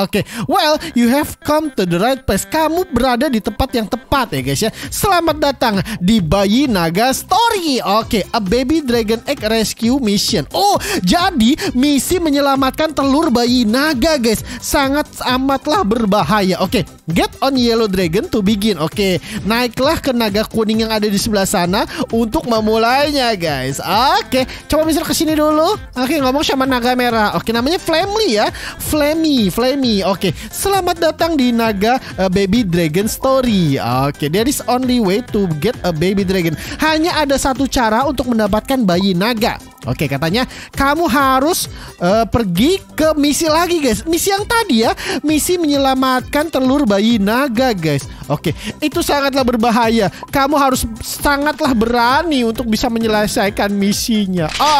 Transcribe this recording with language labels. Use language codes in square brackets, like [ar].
[en] Oke, well, you have come to the right place. [id] Kamu berada di tempat yang tepat ya guys ya. Selamat datang di Bayi Naga Story. Oke, [en] a baby dragon egg rescue mission. [id] Oh, jadi misi menyelamatkan telur bayi naga guys, sangat amatlah berbahaya. [en] Oke, get on yellow dragon to begin. [id] Oke, naiklah ke naga kuning yang ada di sebelah sana untuk memulainya guys. Oke, coba misal kesini dulu. Oke, ngomong sama naga merah. Oke, namanya Flamly ya. Flamy. Oke, selamat datang di naga baby dragon story. [en] Oke, there is only way to get a baby dragon. [id] Hanya ada satu cara untuk mendapatkan bayi naga. Oke, katanya kamu harus pergi ke misi lagi guys. Misi yang tadi ya, misi menyelamatkan telur bayi naga guys. Oke, itu sangatlah berbahaya. Kamu harus sangatlah berani untuk bisa menyelesaikan misinya.